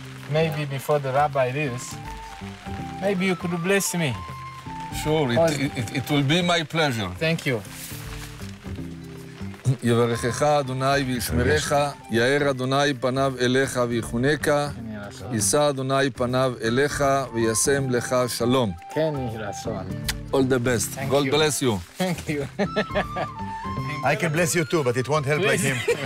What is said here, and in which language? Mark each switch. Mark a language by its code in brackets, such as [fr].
[en] Maybe before the rabbi leaves, maybe you could bless me. Sure, it will be my pleasure. Thank you. [he] יברכך אדוני וישמרך, יאר אדוני פניו אליך ויחונקה, יישא אדוני פניו אליך וישם לך שלום. כן, ירצון. [en] All the best. Thank God you. Bless you. Thank you. I can bless you too, but it won't help like him.